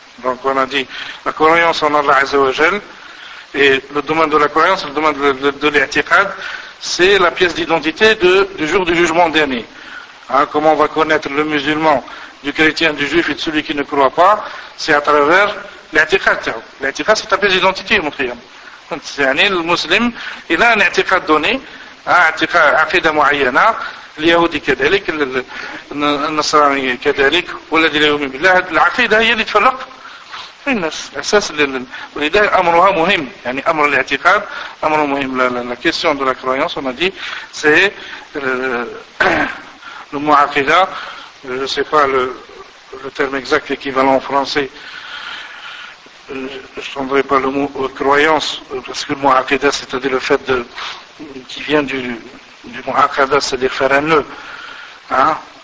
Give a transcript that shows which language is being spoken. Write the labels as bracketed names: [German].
[French] Donc, on a dit la croyance en Allah Azzawajal et le domaine de la croyance, le domaine de l'i'tiqad, c'est la pièce d'identité du jour du jugement dernier. Hein? Comment on va connaître le musulman du chrétien, du juif et de celui qui ne croit pas, c'est à travers l'i'tiqad. L'i'tiqad, c'est ta pièce d'identité, mon frère. [Arabic] يعني المسلم إلى أن اعتقاد دوني اعتقاد عقيدة معينة اليهودي كذلك النصراني كذلك والذي لا يؤمن بالله العقيدة هي اللي تفرق في الناس أساس ولذا أمرها مهم يعني أمر الاعتقاد أمر مهم لا [French] question de la croyance on a dit c'est le mot aqida je ne sais pas le terme exact équivalent en français. Je ne prendrai pas le mot croyance, parce que le mot aqida, c'est-à-dire le fait de, qui vient du mot aqada, c'est-à-dire faire un nœud. Hein?